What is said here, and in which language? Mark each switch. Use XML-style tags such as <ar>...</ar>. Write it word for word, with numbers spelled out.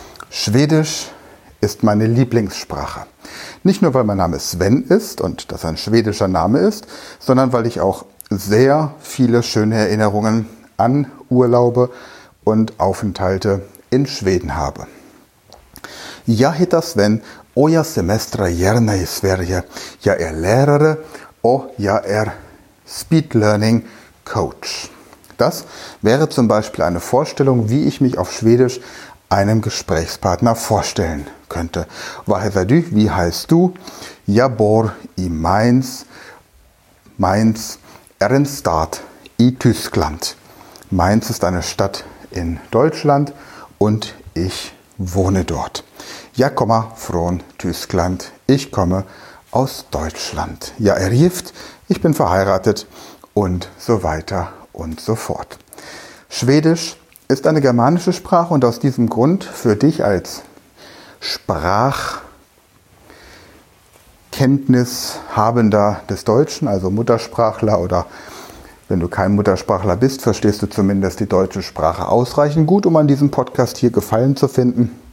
<de>Schwedisch ist meine Lieblingssprache. Nicht nur, weil mein Name Sven ist und das ein schwedischer Name ist, sondern weil ich auch sehr viele schöne Erinnerungen an Urlaube und Aufenthalte in Schweden habe.</de> <sv>Jag hittar Sven och jag semestrar gärna i Sverige. Jag är lärare och jag är Speed Learning Coach.</sv> <de>Das wäre zum Beispiel eine Vorstellung, wie ich mich auf Schwedisch einem Gesprächspartner vorstellen könnte.</de> <sv>Vad heter du?</sv> <de>Wie heißt du?</de> <sv>Jag bor i Mainz. Mainz är en stad i Tyskland.</sv> <de>Mainz ist eine Stadt in Deutschland und ich wohne dort.</de> <sv>Jag kommer från Tyskland.</sv> <de>Ich komme aus Deutschland.</de> <sv>Jag är gift.</sv> <de>Ich bin verheiratet und so weiter und so fort. Schwedisch ist eine germanische Sprache und aus diesem Grund für dich als Sprachkenntnishabender des Deutschen, also Muttersprachler oder wenn du kein Muttersprachler bist, verstehst du zumindest die deutsche Sprache ausreichend gut, um an diesem Podcast hier Gefallen zu finden.</de>